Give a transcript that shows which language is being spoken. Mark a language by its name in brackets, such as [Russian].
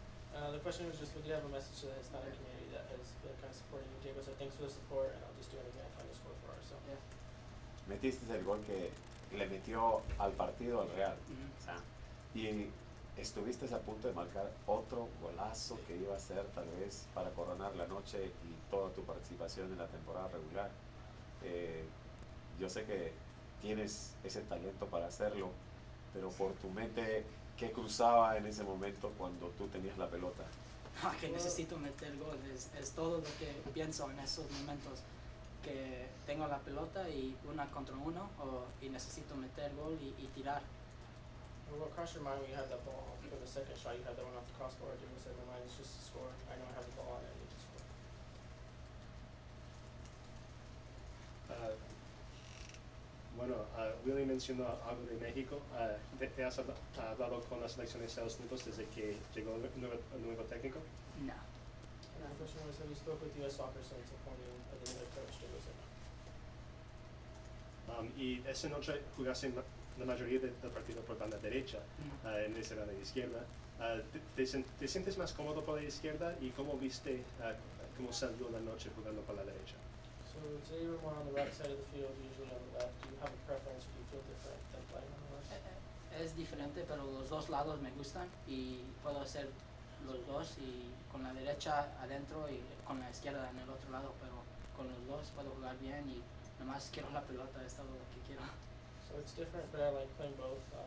[English] The question was just, would you have a message to the Hispanic community that has been kind of supporting you, Diego? So thanks for the support, and I'll just do anything I can to score for us. So. Yeah. [Spanish] Metiste el gol que le metió al partido al Real. Mm-hmm. Y estuviste a punto de marcar otro golazo, sí, que iba a ser tal vez para coronar la noche y toda tu participación en la temporada regular. Yo sé que tienes ese talento para hacerlo, pero por tu mente, ¿qué cruzaba en ese momento cuando tú tenías la pelota? Que necesito meter gol, es todo lo que pienso en esos momentos. que tengo la pelota y una contra uno o y necesito meter gol y tirar. [English] Well, what crossed your mind when you had that ball for the second shot? You had that one off the crossbar. Didn't you say, "My mind is just to score. I know I have the ball and I need to score." [Spanish] Bueno, Willy mencionó algo de México. ¿Te has hablado con la selección de Estados Unidos desde que llegó el nuevo técnico? No. [English] And the question was, have you spoke with U.S. soccer since appointing the new coach to visit? [Spanish] Y esa noche jugaste la mayoría del partido por banda derecha, en esa banda izquierda. ¿Te sientes más cómodo por la izquierda? ¿Y cómo viste cómo salió la noche jugando por la derecha? [English] So today you're more on the right side of the field, usually on the left. Do you have a preference? Do you feel different than playing on the left? [Spanish] Es diferente, pero los dos lados me gustan y puedo hacer los dos y con la derecha adentro y con la izquierda en el otro lado, pero con los dos puedo jugar bien y nomás quiero la pelota, es todo lo que quiero. [English] So it's different, but I like playing both.